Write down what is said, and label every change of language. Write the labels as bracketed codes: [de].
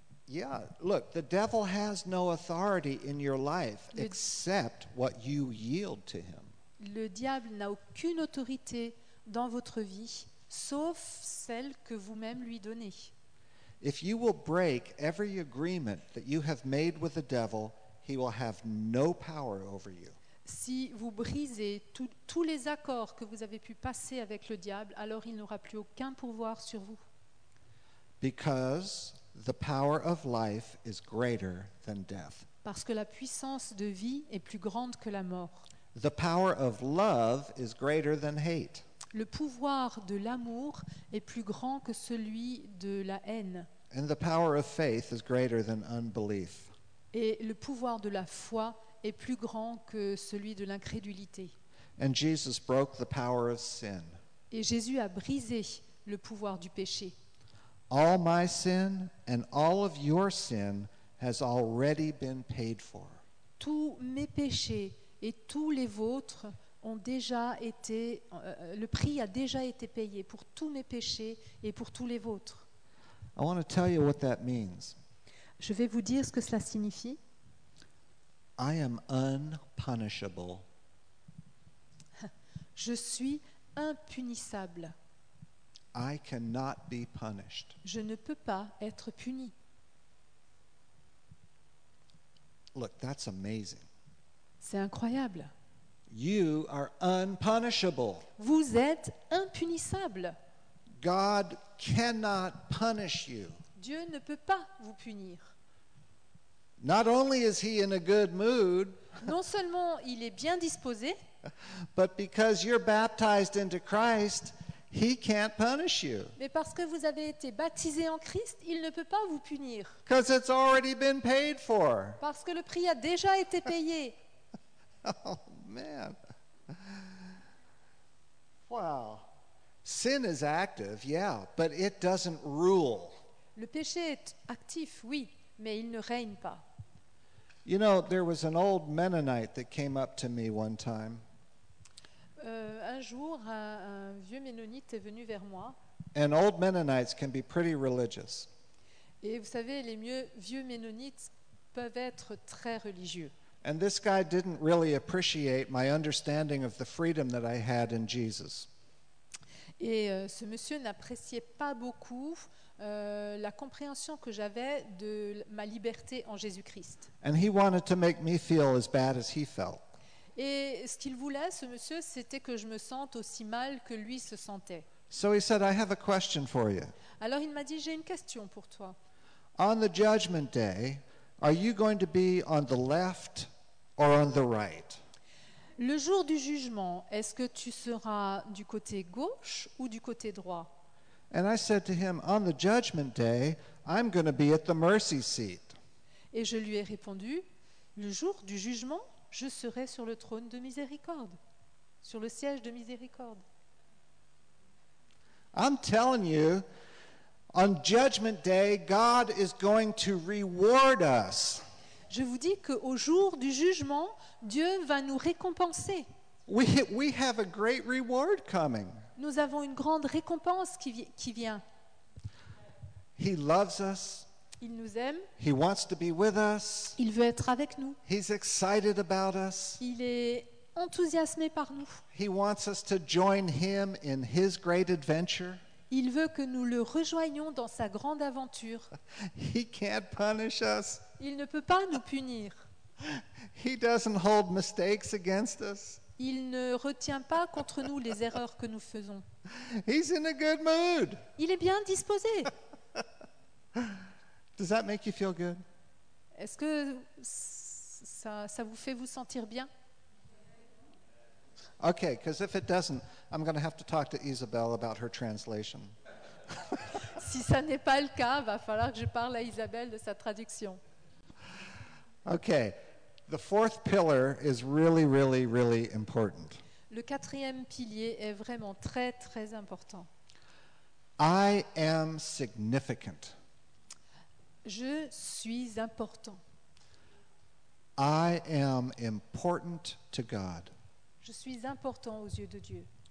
[en] Yeah, look, the devil has no authority in your life except what you yield to him. [fr] Le diable n'a aucune autorité dans votre vie. Sauf celle que vous-même lui donnez. [en] If you will break every agreement that you have made with the devil, he will have no power over you. [fr] Si vous brisez tous les accords que vous avez pu passer avec le diable, alors il n'aura plus aucun pouvoir sur vous. [en] Because the power of life is greater than death. [fr] parce que la puissance de vie est plus grande que la mort. [en] The power of love is greater than hate. [fr] Le pouvoir de l'amour est plus grand que celui de la haine. [en] And the power of faith is greater than unbelief. [fr] Et le pouvoir de la foi est plus grand que celui de l'incrédulité. [en] And Jesus broke the power of sin. [fr] Et Jésus a brisé le pouvoir du péché. [en] All my sin and all of your sin has already been paid for. [fr] Tous mes péchés et tous les vôtres ont déjà été le prix a déjà été payé pour tous mes péchés et pour tous les vôtres. [en] I want to tell you what that means. [fr] Je vais vous dire ce que cela signifie. [en] I am unpunishable. [fr] Je suis impunissable. [en] I cannot be punished. [fr] Je ne peux pas être puni. [en] Look, that's amazing. [fr] C'est incroyable. [en] You are unpunishable. [fr] Vous êtes impunissable. [en] God cannot punish you. [fr] Dieu ne peut pas vous punir. [en] Not only is he in a good mood, [fr] non seulement il est bien disposé, [en] but because you're baptized into Christ, he can't punish you. [fr] Mais parce que vous avez été baptisé en Christ, il ne peut pas vous punir. [en] Because it's already been paid for. [fr] Parce que le prix a déjà été payé. [en] Oh man. Wow. Sin is active, yeah, but it doesn't rule. [fr] Le péché est actif, oui, mais il ne règne pas. [en] You know, there was an old Mennonite that came up to me one time. [fr] Un jour, un vieux Mennonite est venu vers moi. [en] And old Mennonites can be pretty religious. [fr] Et vous savez, les vieux Mennonites peuvent être très religieux. [en] And this guy didn't really appreciate my understanding of the freedom that I had in Jesus. [fr] Et ce monsieur n'appréciait pas beaucoup la compréhension que j'avais de ma liberté en Jésus-Christ. [en] And he wanted to make me feel as bad as he felt. [fr] Et ce qu'il voulait, ce monsieur, c'était que je me sente aussi mal que lui se sentait. [en] So he said, I have a question for you. [fr] Alors il m'a dit, j'ai une question pour toi. [en] On the judgment day, are you going to be on the left or on the right? [fr] Le jour du jugement, est-ce que tu seras du côté gauche ou du côté droit? [en] And I said to him, on the judgment day, I'm going to be at the mercy seat. [fr] Et je lui ai répondu, le jour du jugement, je serai sur le trône de miséricorde, sur le siège de miséricorde. [en] I'm telling you, on judgment day, God is going to reward us. [fr] Je vous dis que au jour du jugement, Dieu va nous récompenser. [en] We have a great reward coming. [fr] Nous avons une grande récompense qui vient. [en] He loves us. [fr] Il nous aime. [en] He wants to be with us. [fr] Il veut être avec nous. [en] He's excited about us. [fr] Il est enthousiasmé par nous. [en] He wants us to join him in his great adventure. [fr] Il veut que nous le rejoignions dans sa grande aventure. [en] He can't punish us. [fr] Il ne peut pas nous punir. [en] He doesn't hold mistakes against us. [fr] Il ne retient pas contre nous les erreurs que nous faisons. [en] He's in a good mood. [fr] Il est bien disposé. [en] Does that make you feel good? [fr] Est-ce que ça vous fait vous sentir bien? [en] Okay, because if it doesn't, I'm going to have to talk to Isabel about her translation. [fr] Si ça n'est pas le cas, va falloir que je parle à Isabelle de sa traduction. [en] Okay, the fourth pillar is really, really, really important. [fr] Le quatrième pilier est vraiment très, très important. [en] I am significant. [fr] Je suis important. [en] I am important to God. [fr] Je suis important aux yeux de Dieu.